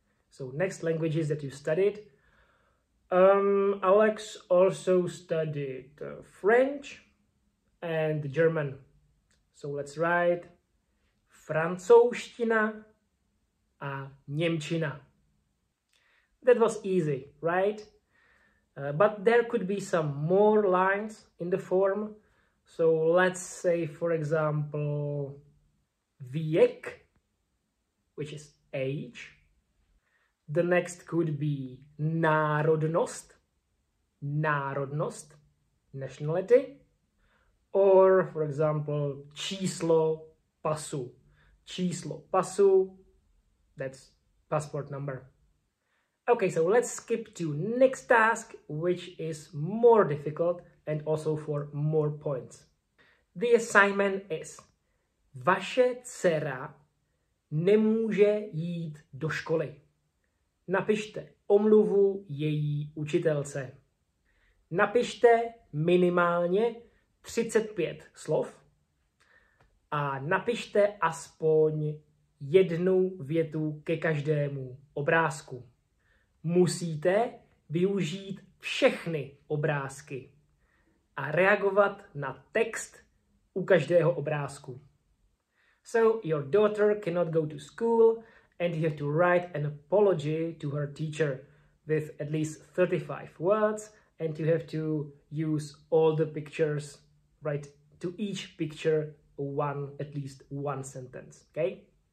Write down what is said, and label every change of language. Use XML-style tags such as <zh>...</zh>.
<en>So, next languages that you studied. Alex also studied French and German. So, let's write</en> <cs>francouzština a němčina.</cs> <en>That was easy, right? But there could be some more lines in the form. So let's say, for example, věk, which is age. The next could be národnost, nationality. Or, for example, číslo pasu. That's passport number. Okay, so let's skip to next task, which is more difficult and also for more points. The assignment is:</en> <cs>vaše dcera nemůže jít do školy. Napište omluvu její učitelce. Napište minimálně 35 slov a napište aspoň jednu větu ke každému obrázku. Musíte využít všechny obrázky a reagovat na text u každého obrázku.</cs> <en>So your daughter cannot go to school and you have to write an apology to her teacher with at least 35 words and you have to use all the pictures, write to each picture at least one sentence, okay?</en>